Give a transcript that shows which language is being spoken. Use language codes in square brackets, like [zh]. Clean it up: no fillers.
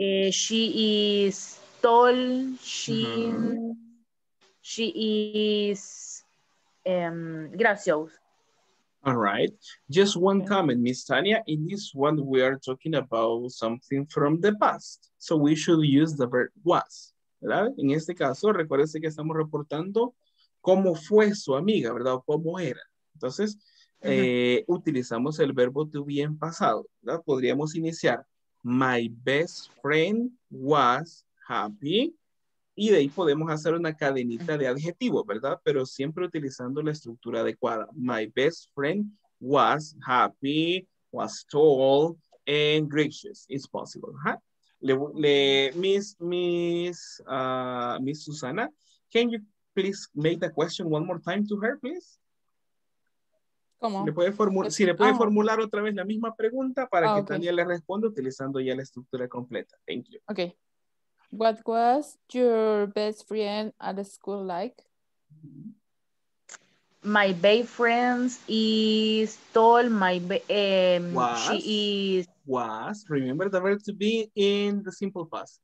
[en] She is tall. She is gracious. All right. Just one comment, Miss Tania. In this one, we are talking about something from the past. So we should use the verb was. [es] ¿Verdad? En este caso, recuérdense que estamos reportando cómo fue su amiga, ¿verdad? O cómo era. Entonces, utilizamos el verbo to be en pasado. ¿Verdad? Podríamos iniciar. [en] My best friend was happy. [es] Y de ahí podemos hacer una cadenita de adjetivos, ¿verdad? Pero siempre utilizando la estructura adecuada. [en] My best friend was happy, was tall, and gracious. It's possible. Uh-huh. Miss Susana, can you please make the question one more time to her, please? [es] ¿Cómo? ¿Le puede formular otra vez la misma pregunta para que Tania le responda utilizando ya la estructura completa. [en] Thank you. Okay. What was your best friend at the school like? My best friend is tall. She was. Remember the verb to be in the simple past.